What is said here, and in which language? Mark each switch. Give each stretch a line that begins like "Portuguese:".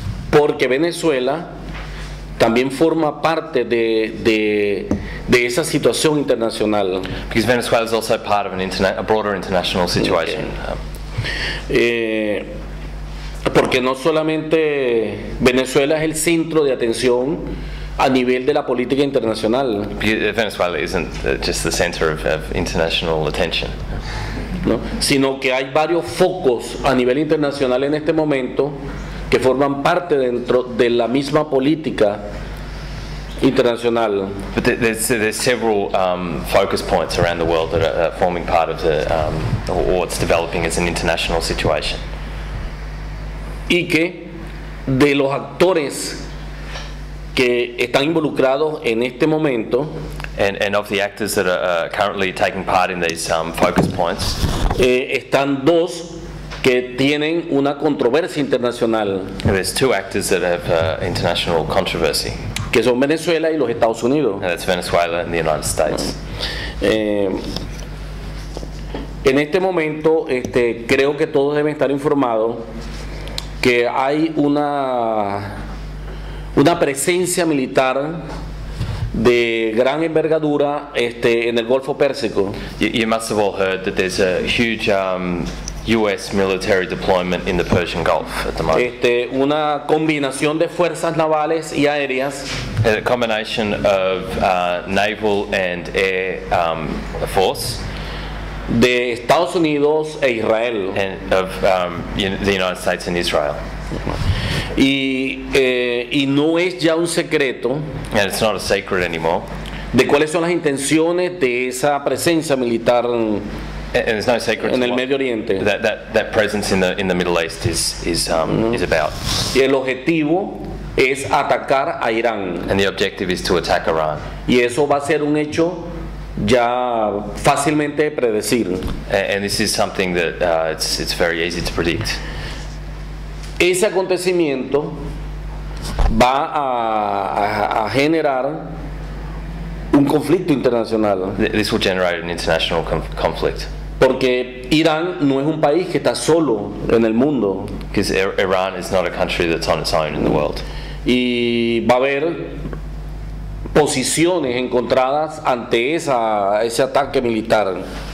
Spanish: Porque Venezuela también forma parte de esa situación internacional.
English: Because Venezuela is also part of a broader international situation.
Spanish: Porque no solamente Venezuela es el centro de atención a nivel de la política internacional.
English: Venezuela isn't just the center of international attention.
Spanish: ¿No? Sino que hay varios focos a nivel internacional en este momento que forman parte dentro de la misma política internacional.
English: But there's several focus points around the world that are forming part of the or it's developing as an international situation.
Spanish: Y que de los actores que están involucrados en este momento.
English: And of the actors that are currently taking part in these focus points,
Spanish: están dos que tienen una controversia internacional.
English: There's two actors that have international controversy.
Spanish: Que son Venezuela y los Estados Unidos.
English: And that's Venezuela and the United States.
Spanish: En este momento, creo que todos deben estar informados que hay una presencia militar de gran envergadura en el Golfo Pérsico.
English: You must have all heard that there's a huge US military deployment in the Persian Gulf at the moment.
Spanish: Una combinación de fuerzas navales y aéreas.
English: A combination of naval and air force.
Spanish: De Estados Unidos e Israel.
English: And of the United States and Israel.
Spanish: Y no es ya un secreto.
English: And it's not a secret anymore.
Spanish: De cuáles son las intenciones de esa presencia militar en el Medio Oriente.
English: That presence in the Middle East is about.
Spanish: Y el objetivo es atacar a Irán.
English: And the objective is to attack Iran.
Spanish: Y eso va a ser un hecho ya fácilmente predecir.
English: And this is something that it's very easy to predict.
Spanish: Ese acontecimiento va a generar un conflicto internacional.
English: This will generate an international conflict.
Spanish: Porque Irán no es un país que está solo en el mundo.
English: Because Iran is not a country that's on its own in the world.
Spanish: Y va a haber posiciones encontradas ante ese ataque militar.